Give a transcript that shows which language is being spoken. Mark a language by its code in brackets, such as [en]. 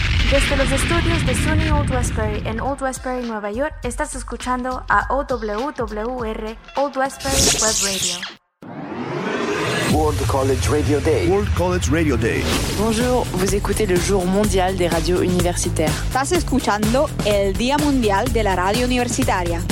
[es] Desde los estudios de SUNY Old Westbury en Old Westbury, Nueva York, estás escuchando a OWWR Old Westbury Web Radio. [en] World College Radio Day. World College Radio Day. [fr] Bonjour, vous écoutez le jour mondial des radios universitaires. [es] Estás escuchando el Día Mundial de la Radio Universitaria.